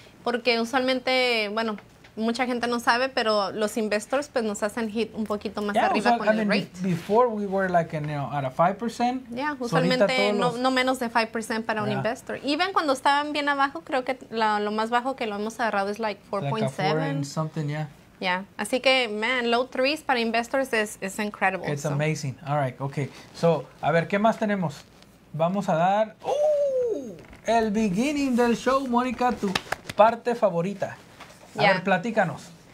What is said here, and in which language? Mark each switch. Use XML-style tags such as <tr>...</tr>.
<es>Porque usualmente, bueno, mucha gente no sabe, pero los investors pues nos hacen hit un poquito más arriba con el rate.</es> <en>Before we were like, you know, at a 5%.</en> <es>Yeah, usualmente no menos de 5% para un investor. Even cuando estaban bien abajo, creo que lo más bajo que lo hemos agarrado es like 4.7.</es> <en>Like a 4 and something, yeah. Yeah,</en> <es>así que,</es> <en>man, low threes para investors is incredible. It's amazing. All right, okay. So,</en> <es>a ver, ¿qué más tenemos? Vamos a dar, el beginning del show, Mónica, tu parte favorita. A ver, platícanos.</es>